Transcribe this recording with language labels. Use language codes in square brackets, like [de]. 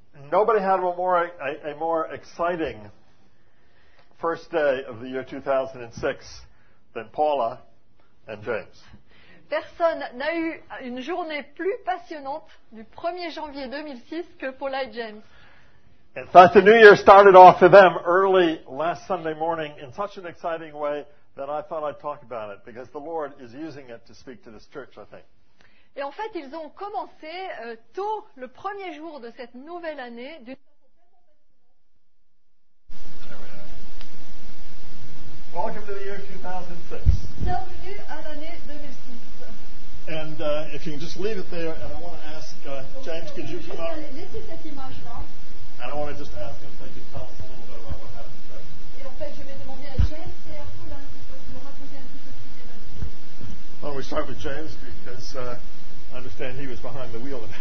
[en] Nobody had a more exciting first day of the year 2006 than Paula and James. [fr] Personne n'a eu une journée plus passionnante du 1er janvier 2006 que Paula et James. [en] In fact, the new year started off for them early last Sunday morning in such an exciting way that I thought I'd talk about it because the Lord is using it to speak to this church, I think. [fr] Et en fait, ils ont commencé tôt le premier jour de cette nouvelle année d'une façon tellement passionnante. [en] Welcome to the year 2006. [fr] Bienvenue à l'année 2006. [en] And if you can just leave it there, and I want to ask James, could you come up? [fr] Laissez cette image là. [en] And I want to just ask him if he could tell us a little bit about what happened today. [fr] Et en fait, je vais demander à James et à Paula si ils peuvent nous raconter un petit peu ce qui s'est passé. [en] Why don't we start with James, because I understand he was behind the wheel.